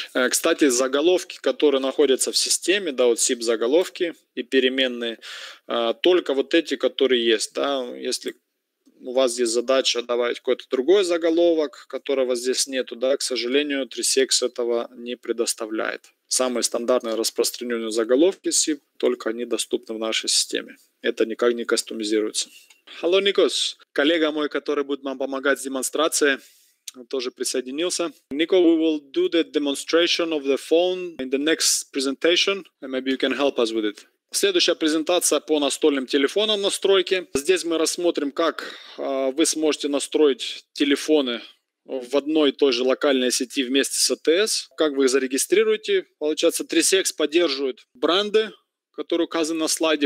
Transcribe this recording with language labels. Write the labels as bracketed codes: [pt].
[ru] Кстати, заголовки, которые находятся в системе, да, вот SIP-заголовки и переменные, только вот эти, которые есть, да, если у вас есть задача добавить какой-то другой заголовок, которого здесь нету, да, к сожалению, 3CX этого не предоставляет. Самые стандартные распространенные заголовки SIP, только они доступны в нашей системе. Это никак не кастомизируется. [en] Hello, Nikos. [ru] Коллега мой, который будет вам помогать с демонстрацией, тоже присоединился. [en] Nico, we will do the demonstration of the phone in the next presentation. And maybe you can help us with it. [ru] Следующая презентация по настольным телефонам настройки. Здесь мы рассмотрим, как вы сможете настроить телефоны в одной и той же локальной сети вместе с АТС. Как вы их зарегистрируете. Получается, 3CX поддерживает бренды, которые указаны на слайде.